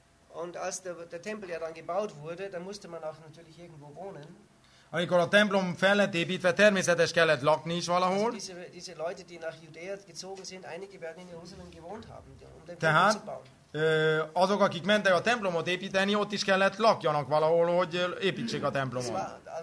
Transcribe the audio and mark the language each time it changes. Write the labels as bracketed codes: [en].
[de] Und als der Tempel ja dann gebaut wurde, dann musste man auch natürlich irgendwo wohnen. [hu] Amikor a templom fel lett építve, természetes kellett lakni is valahol. [de] Diese Leute, die nach Judäa gezogen sind, einige werden in Jerusalem gewohnt haben, um den Tempel zu bauen. [hu] Azok, akik mentek a templomot építeni, ott is kellett lakjanak valahol, hogy építsék a templomot.